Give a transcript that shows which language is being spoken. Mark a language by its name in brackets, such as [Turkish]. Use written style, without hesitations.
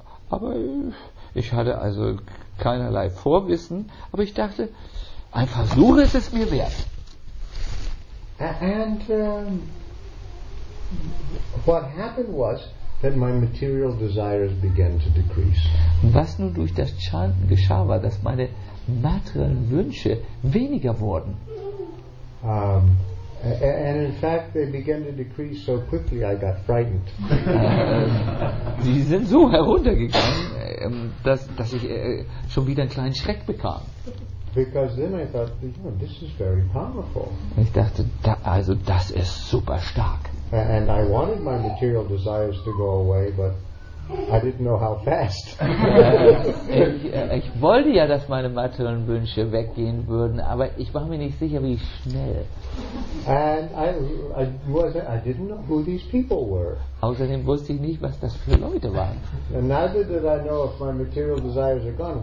[German] Aber ich hatte also keinerlei Vorwissen. Aber ich dachte, ein Versuch ist es mir wert. [English] And what happened was that my material desires began to decrease. [German] Was nun durch das Chanten geschah, war, dass meine materiellen Wünsche weniger wurden. [English] And in fact, they began to decrease so quickly, I got frightened. [German] Die sind so heruntergegangen, dass ich schon wieder einen kleinen Schreck bekam. [English] Because then I thought, you know, this is very powerful. [German] Ich dachte, also das ist super stark. [English] And I wanted my material desires to go away, but I didn't know how fast. [German] Ich wollte ja, dass meine materiellen Wünsche weggehen würden, aber ich war mir nicht sicher, wie schnell. [English] And I didn't know who these people were. [German] Außerdem wusste ich nicht, was das für Leute waren. [English] And neither did I know if my material desires are gone.